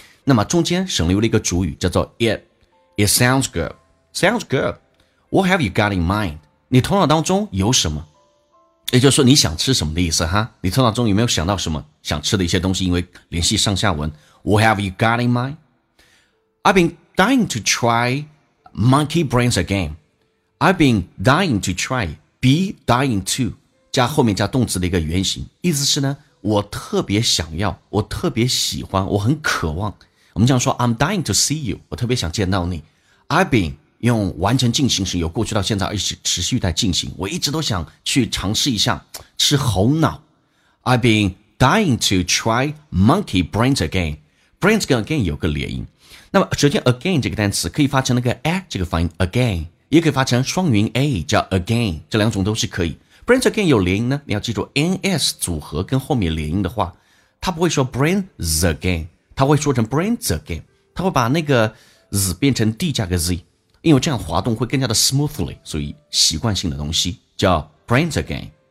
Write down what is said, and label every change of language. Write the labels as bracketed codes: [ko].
[zh] 那么中间省略了一个主语叫做 it. [en] It sounds good. Sounds good. What have you got in mind? [zh] 你头脑当中有什么？也就是说你想吃什么的意思哈，你头脑中有没有想到什么想吃的一些东西，因为联系上下文。 [en] What have you got in mind? I've been dying to try monkey brains again. I've been dying to try, be dying to, [zh] 加后面加动词的一个原型，意思是呢，我特别想要，我特别喜欢，我很渴望。我们这样说 [en] I'm dying to see you, [zh] 我特别想见到你。 [en] I've been [zh] 用完成进行时，由过去到现在一直持续在进行，我一直都想去尝试一下吃猴脑。 [en] I've been dying to try monkey brains again. [zh] Brains 跟 again 有个连音。那么首先 again 这个单词可以发成那个 a 这个发音 again， 也可以发成双元 a 叫 again， 这两种都是可以。 brains again 有连音呢，你要记住 ns 组合跟后面连音的话，他不会说 brains again， 他会说成 brains again， 他会把那个 z 变成 d 加个 z，因为这样滑动会更加的 smoothly， 所以习惯性的东西叫 brains again.